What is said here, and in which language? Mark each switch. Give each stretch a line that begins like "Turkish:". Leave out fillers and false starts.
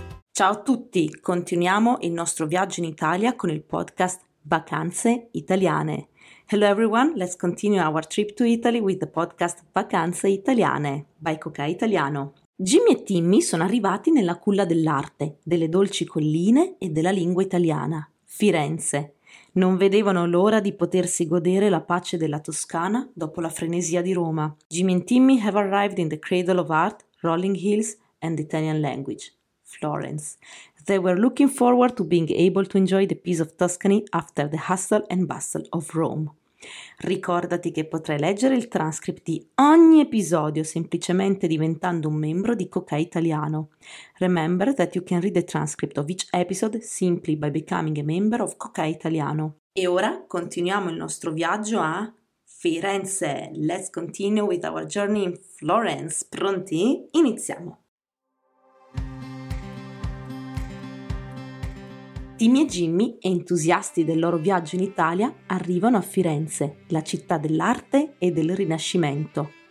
Italian: Ciao a tutti, continuiamo il nostro viaggio in Italia con il podcast Vacanze Italiane.
English: Hello everyone, let's continue our trip to Italy with the podcast Vacanze Italiane by Cocai Italiano.
Italian: Jimmy e Timmy sono arrivati nella culla dell'arte, delle dolci colline e della lingua italiana, Firenze. Non vedevano l'ora di potersi godere la pace della Toscana dopo la frenesia di Roma.
English: Jimmy and Timmy have arrived in the cradle of art, rolling hills and Italian language. Florence. They were looking forward to being able to enjoy the peace of Tuscany after the hustle and bustle of Rome.
Italian: Ricordati che potrai leggere il transcript di ogni episodio semplicemente diventando un membro di Cocai Italiano.
English: Remember that you can read the transcript of each episode simply by becoming a member of Cocai Italiano.
Italian: E ora continuiamo il nostro viaggio a Firenze.
English: Let's continue with our journey in Florence.
Italian: Pronti? Iniziamo! Timmy e Jimmy, entusiasti del loro viaggio in Italia, arrivano a Firenze, la città dell'arte e del Rinascimento.